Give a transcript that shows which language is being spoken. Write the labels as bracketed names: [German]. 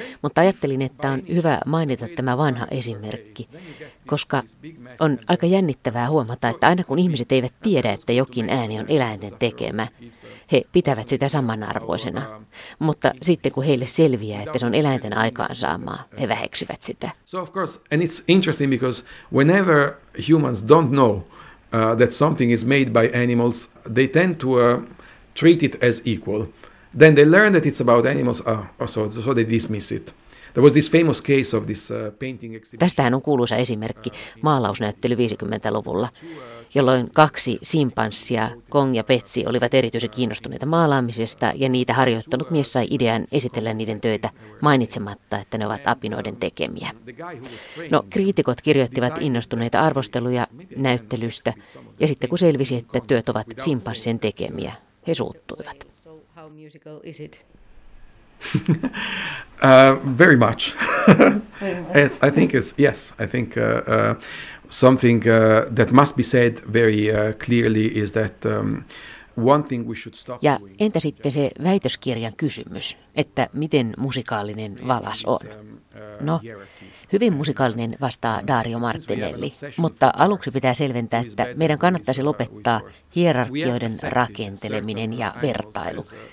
[Finnish] Mutta ajattelin, että on hyvä mainita tämä vanha esimerkki, koska on aika jännittävää huomata, että aina kun ihmiset eivät tiedä, että jokin ääni on eläinten tekemä, he pitävät sitä samanarvoisena. Mutta sitten kun heille selviää, että se on eläinten aikaansaamaa, he väheksyvät sitä. [English] So of course, and it's interesting because whenever humans don't know that something is made by animals, they tend to treat it as equal. Then they learn that it's about animals, so they dismiss it. There was this famous case of this painting exhibition. [Finnish] Tästähän on kuuluisa esimerkki, maalausnäyttely 50-luvulla, jolloin kaksi simpanssia, Kong ja Betsy, olivat erityisen kiinnostuneita maalaamisesta, ja niitä harjoittanut mies sai idean esitellä niiden töitä mainitsematta, että ne ovat apinoiden tekemiä. No, kriitikot kirjoittivat innostuneita arvosteluja näyttelystä, ja sitten kun selvisi, että työt ovat simpanssien tekemiä, he suuttuivat. [English] How musical is it? Very much. It's, I think it's, yes, I think something that must be said very clearly is that one thing we should stop. [Finnish] Ja entä sitten se väitöskirjan kysymys, että miten musikaalinen valas on? No, hyvin musikaalinen, vastaa Dario Martinelli, mutta aluksi pitää selventää, että meidän kannattaisi lopettaa hierarkioiden rakenteleminen ja vertailu.